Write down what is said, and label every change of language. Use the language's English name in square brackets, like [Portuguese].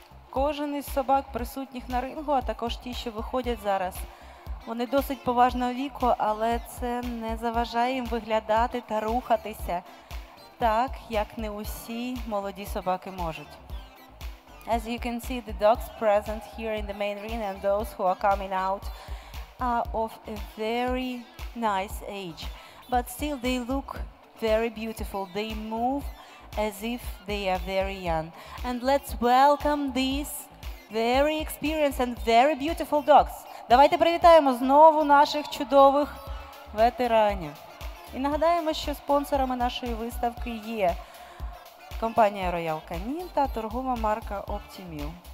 [Ukrainian] Кожен із собак, присутніх на рингу, а також ті, що виходять зараз, вони досить поважного віку, але це не заважає їм виглядати та рухатися так, як не усі молоді собаки можуть. [English] As you can see, the dogs present here in the main ring and those who are coming out are of a very nice age. But still they look very beautiful. They move as if they are very young. And let's welcome these very experienced and very beautiful dogs. [Ukrainian] Давайте привітаємо знову наших чудових ветеранів. І нагадаємо, що спонсорами нашої виставки є компанія Royal Canin та торгова марка Optimil.